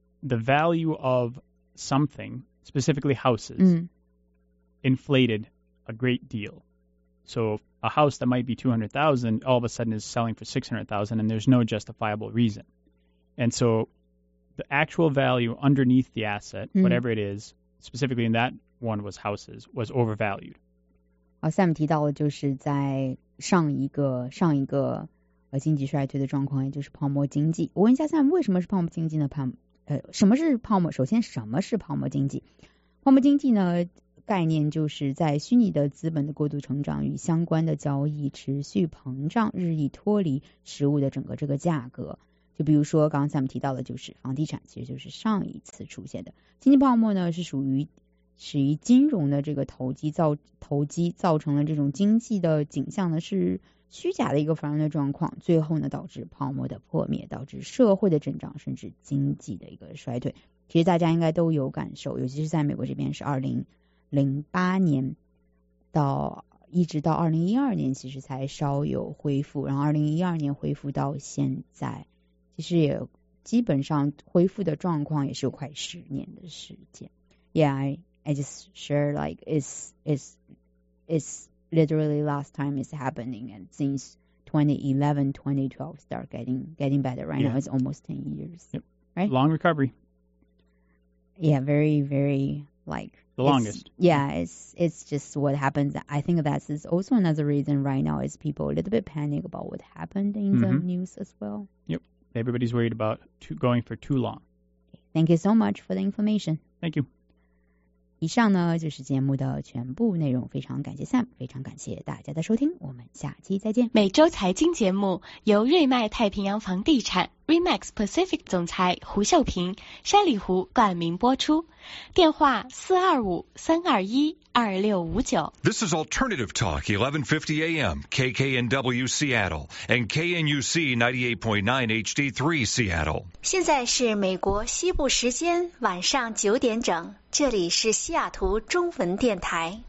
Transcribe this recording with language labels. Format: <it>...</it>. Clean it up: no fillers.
<en>The value of something, specifically houses, inflated a great deal. So a house that might be $200,000 all of a sudden is selling for $600,000 and there's no justifiable reason. And so the actual value underneath the asset, whatever it is, specifically in that one was houses, was overvalued.</en> <zh>Sam 提到了就是在上一个经济衰退的状况也就是泡沫经济。我问一下 Sam, 为什么是泡沫经济呢?什么是泡沫? 首先什么是泡沫经济?泡沫经济呢?概念就是在虚拟的资本的过度成长与相关的交易持续膨胀日益脱离实物的整个这个价格就比如说刚才我们提到的就是房地产其实就是上一次出现的经济泡沫呢是始于金融的这个投机造成了这种经济的景象呢是虚假的一个繁荣的状况最后呢导致泡沫的破灭导致社会的增长甚至经济的一个衰退其实大家应该都有感受尤其是在美国这边是2008年到一直到2012年，其实才稍有恢复。然后2012年恢复到现在，其实也基本上恢复的状况也是有快10年的时间。</zh> <en>Yeah, I just share like it's literally last time it's happening, and since 2011, 2012 start getting better. Right now, it's almost 10 years. Yep. Right, long recovery. Yeah, very, very like. The longest. It's just what happens. I think that's also another reason right now is people a little bit panic about what happened in the news as well. Yep. Everybody's worried about going for too long. Thank you so much for the information. Thank you.</en> <zh>以上呢就是节目的全部内容。非常感谢 Sam, 非常感谢大家的收听。我们下期再见。每周财经节目由瑞迈太平洋房地产REMAX Pacific 总裁胡秀平山里胡冠名播出电话425-321-2659</zh> <en>This is Alternative Talk 1150 AM KKNW Seattle and KNUC 98.9 HD3 Seattle</en> <zh>现在是美国西部时间晚上9点整这里是西雅图中文电台</zh>